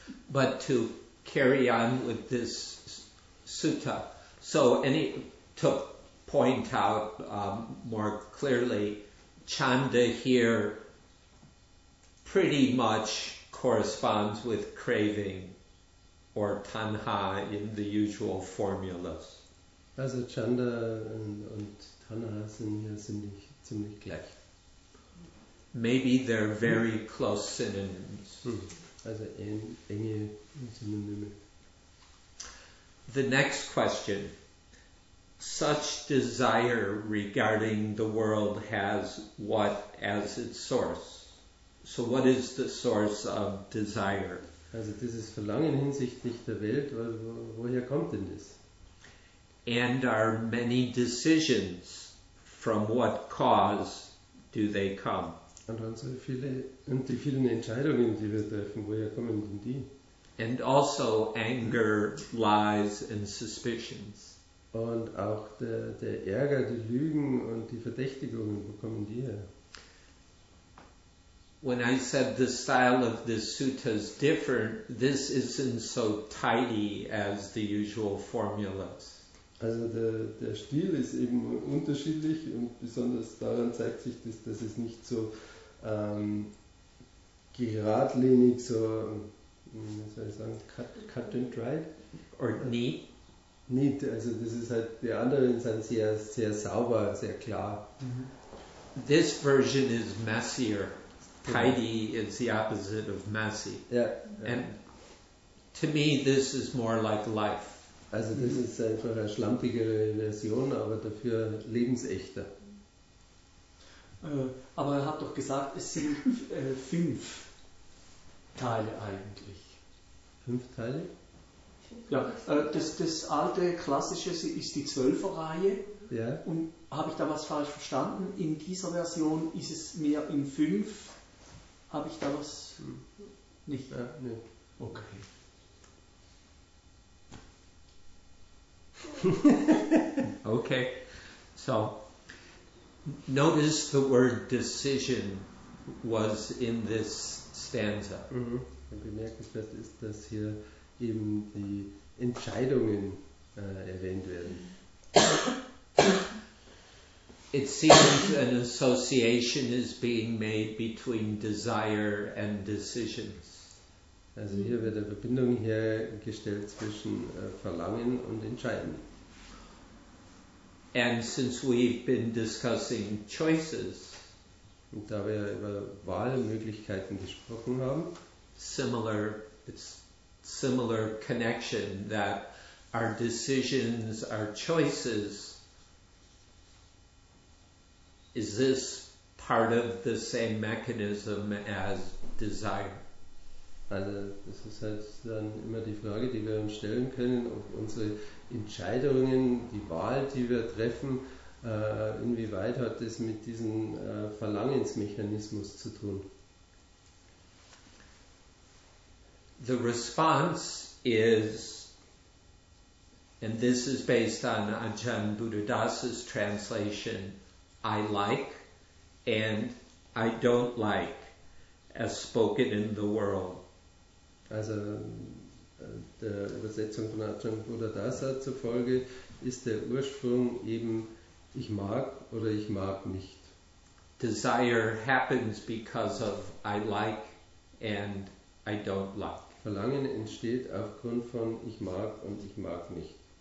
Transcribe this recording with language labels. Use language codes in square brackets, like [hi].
[en] But to carry on with this sutta, so any to point out more clearly, chanda here pr- pretty much corresponds with craving or tanha in the usual formulas. [de] Also Chanda und Tanha sind hier ziemlich gleich. [en] Maybe they're very close synonyms. [de] Also enge Synonyme. [en] The next question. Such desire regarding the world has what as its source? So what is the source of desire? [de] Also dieses Verlangen hinsichtlich der Welt, woher kommt denn das? [en] And are many decisions, from what cause do they come? [de] Und dann so viele, und die vielen Entscheidungen, die wir treffen, woher kommen denn die? [en] And also anger, lies and suspicions. [de] Und auch der Ärger, die Lügen und die Verdächtigungen, wo kommen die her? [en] When I said the style of this sutta is different, this isn't so tidy as the usual formulas. [de] Also der Stil ist eben unterschiedlich und besonders daran zeigt sich, dass es nicht so geradlinig, so, wie soll ich sagen, [en] cut and dried? [de] Or neat? Neat, also das ist halt, die anderen sind sehr, sehr sauber, sehr klar. [en] This version is messier. Tidy is the opposite of messy. Yeah, yeah. And to me, this is more like life. [de] Also das ist einfach eine schlampigere Version, aber dafür lebensechter. Aber er hat doch gesagt, es sind fünf Teile eigentlich. Fünf Teile? Ja, das alte klassische ist die Zwölferreihe. Ja. Und habe ich da was falsch verstanden? In dieser Version ist es mehr in fünf. Habe ich da was nicht? Nein. Okay. [en] Okay. So. Notice the word decision was in this stanza. [de] Und bemerkenswert ist, dass hier eben die Entscheidungen erwähnt werden. [en] It seems an association is being made between desire and decisions. [de] Also hier wird eine Verbindung hergestellt zwischen Verlangen und Entscheiden. [en] And since we've been discussing choices, [de] und da wir über Wahlmöglichkeiten gesprochen haben, [en] it's similar connection that our decisions, our choices, is this part of the same mechanism as desire? [de] Also das ist halt dann immer die Frage, die wir uns stellen können, ob unsere Entscheidungen, die Wahl, die wir treffen, inwieweit hat das mit diesem Verlangensmechanismus zu tun? [en] The response is, and this is based on Ajahn Buddhadasa's translation, I like and I don't like, as spoken in the world. [de] Also der Übersetzung von Ajahn Buddhadasa zufolge ist der Ursprung eben, ich mag oder ich mag nicht. [en] Desire happens because of I like and I don't like. [de] Verlangen entsteht aufgrund von ich mag und ich mag nicht.